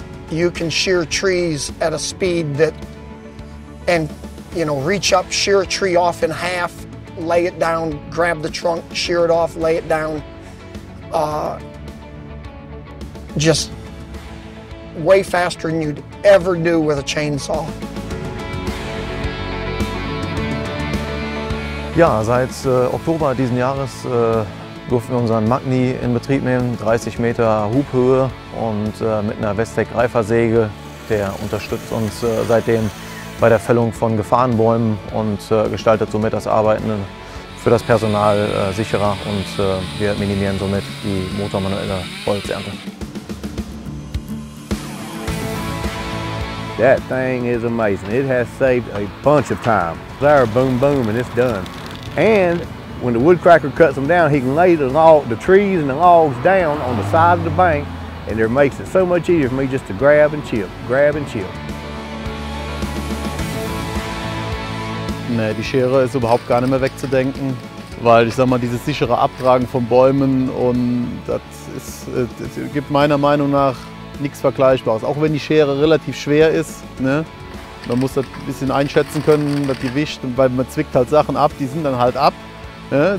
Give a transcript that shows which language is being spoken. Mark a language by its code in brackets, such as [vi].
[en] You can shear trees at a speed that, and you know, reach up, shear a tree off in half, lay it down, grab the trunk, shear it off, lay it down. Just way faster than you'd ever do with a chainsaw. [de] Ja, seit Oktober diesen Jahres durften wir unseren Magni in Betrieb nehmen, 30 Meter Hubhöhe und mit einer Westec Greifersäge. Der unterstützt uns seitdem bei der Fällung von Gefahrenbäumen und gestaltet somit das Arbeiten für das Personal sicherer, und wir minimieren somit die motormanuelle Holzernte. [en] That thing is amazing. It has saved a bunch of time. There, boom, boom, and it's done. And when the Woodcracker cuts them down, he can lay the trees and the logs down on the side of the bank, and it makes it so much easier for me just to grab and chip, grab and chip. [de] Nee, die Schere ist überhaupt gar nicht mehr wegzudenken, weil ich sag mal, dieses sichere Abtragen von Bäumen, und das gibt meiner Meinung nach nichts Vergleichbares. Auch wenn die Schere relativ schwer ist, ne? Man muss das ein bisschen einschätzen können, das Gewicht, weil man zwickt halt Sachen ab, die sind dann halt ab. Ne?